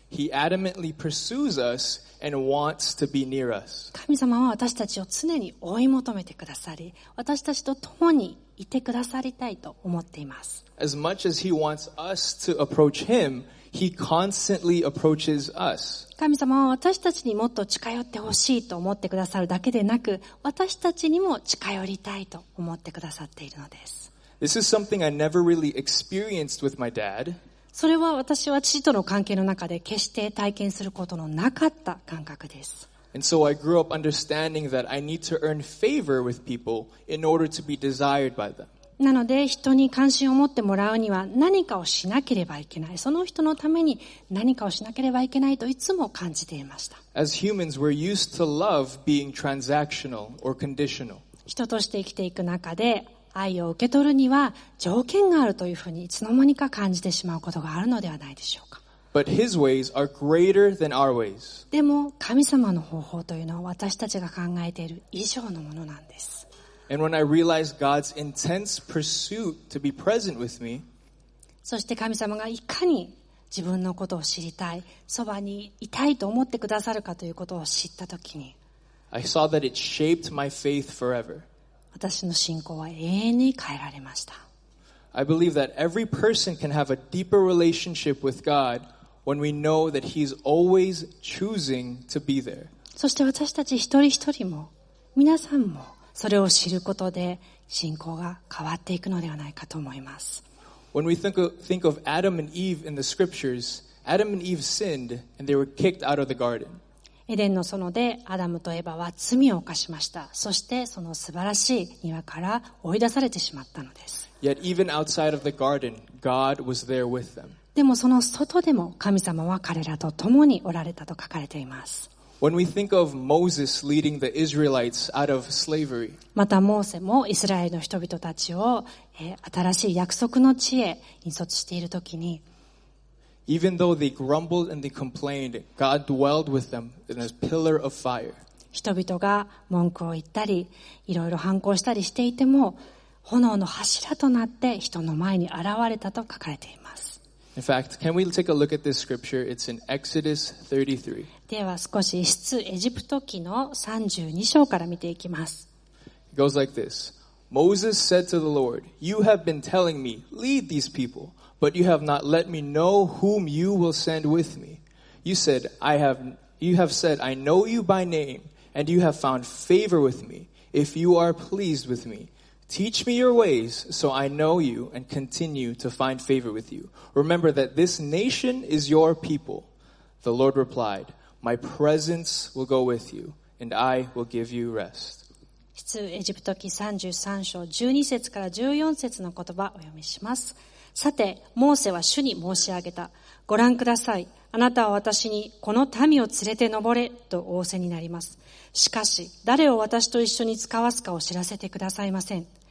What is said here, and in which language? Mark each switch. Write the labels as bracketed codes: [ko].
[en] He adamantly pursues us and wants to be near us. [ja] 神様は私たちを常に追い求めてくださり、私たちと共にいてくださりたいと思っています。 [en] As much as he wants us to approach him, he constantly approaches us. [ja] 神様は私たちにもっと近寄ってほしいと思ってくださるだけでなく、私たちにも近寄りたいと思ってくださっているのです。 [en] This is something I never really experienced with my dad. [ja] それは私は父との関係の中で決して体験することのなかった感覚です。 [en] And so I grew up understanding that I need to earn favor with people in order to be desired by them. [ja] なので人に関心を持ってもらうには何かをしなければいけない。その人のために何かをしなければいけないといつも感じていました。 [en] As humans, we're used to love being transactional or conditional. [ja] 人として生きていく中で愛を受け取るには条件があるというふうにいつの間にか感じてしまうことがあるのではないでしょうか。 [en] But his ways are greater than our ways. [ja] でも神様の方法というのは私たちが考えている以上のものなんです。 [en] And when I realized God's intense pursuit to be present with me, [ja] そして神様がいかに自分のことを知りたい、そばにいたいと思ってくださるかということを知ったときに、 [en] I saw that it shaped my faith forever. [ja] 私の信仰は永遠に変えられました。 [en] I believe that every person can have a deeper relationship with God when we know that He's always choosing to be there. [ja] そして私たち一人一人も、皆さんもそれを知ることで信仰が変わっていくのではないかと思います。 [en] When we think of Adam and Eve in the scriptures, Adam and Eve sinned and they were kicked out of the garden. [ja] エデンの園でアダムとエバは罪を犯しました。そしてその素晴らしい庭から追い出されてしまったのです。 [en] Yet even outside of the garden, God was there with them. [ja] でもその外でも神様は彼らと共におられたと書かれています。 [en] When we think of Moses leading the Israelites out of slavery, [ja] またモーセもイスラエルの人々たちを新しい約束の地へ引率しているときに、 [en] even though they grumbled and they complained, God dwelled with them in a pillar of fire. [ja] 人々が文句を言ったり、いろいろ反抗したりしていても、炎の柱となって人の前に現れたと書かれています。 [en] In fact, can we take a look at this scripture? It's in Exodus 33. [ja] では少し出エジプト記の32章から見ていきます。 [en] It goes like this. Moses said to the Lord, You have been telling me, lead these people, but you have not let me know whom you will send with me. You have said, I know you by name, and you have found favor with me, if you are pleased with me. Teach me your ways, so I know you and continue to find favor with you. Remember that this nation is your people. The Lord replied, My presence will go with you, and I will give you rest. [ja] 出エジプト記33章12節から14節の言葉をお読みします。さて、モーセは主に申し上げた。ご覧ください。あなたは私にこの民を連れて登れと仰せになります。しかし、誰を私と一緒に使わすかを知らせてくださいません。